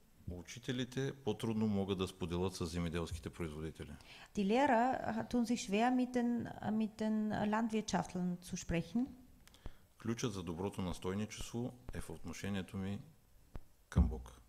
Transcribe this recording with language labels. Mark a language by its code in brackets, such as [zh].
[bg] Учителите по-трудно могат да споделят с земеделските производители. [de] Die Lehrer tun sich schwer mit den Landwirtschaftlern zu sprechen. [bg] Ключът за доброто настойничество е в отношението ми към Бог.